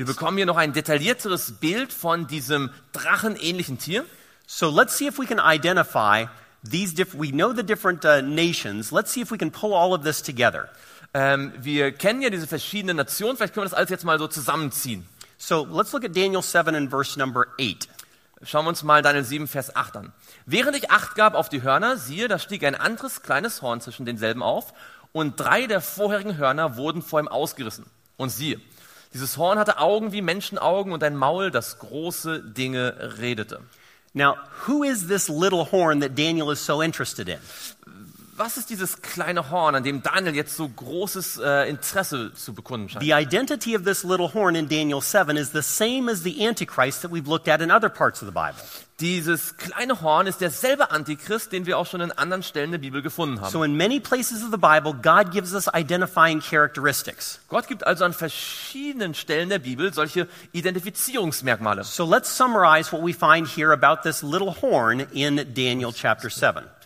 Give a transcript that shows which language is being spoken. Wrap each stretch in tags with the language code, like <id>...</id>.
<de>Wir bekommen hier noch ein detaillierteres Bild von diesem drachenähnlichen Tier.</de> <en>So let's see if we can identify these different, we know the different nations, let's see if we can pull all of this together.</en> <de>Wir kennen ja diese verschiedenen Nationen, vielleicht können wir das alles jetzt mal so zusammenziehen.</de> <en>So, let's look at Daniel 7 and verse number 8.</en> <de>Schauen wir uns mal Daniel 7, Vers 8 an. Während ich Acht gab auf die Hörner, siehe, da stieg ein anderes kleines Horn zwischen denselben auf und drei der vorherigen Hörner wurden vor ihm ausgerissen. Und siehe, dieses Horn hatte Augen wie Menschenaugen und ein Maul, das große Dinge redete.</de> <en>Now, who is this little horn that Daniel is so interested in?</en> <de>was ist dieses kleine Horn, an dem Daniel jetzt so großes Interesse zu bekunden scheint?</de> <en>The identity of this little horn in Daniel 7 is the same as the Antichrist that we've looked at in other parts of the Bible.</en> <de>Dieses kleine Horn ist derselbe Antichrist, den wir auch schon in anderen Stellen der Bibel gefunden haben.</de> <en>So in many places of the Bible, God gives us identifying characteristics.</en> <de>Gott gibt also an verschiedenen Stellen der Bibel solche Identifizierungsmerkmale.</de> <en>So let's summarize what we find here about this little horn in Daniel chapter 7.</en>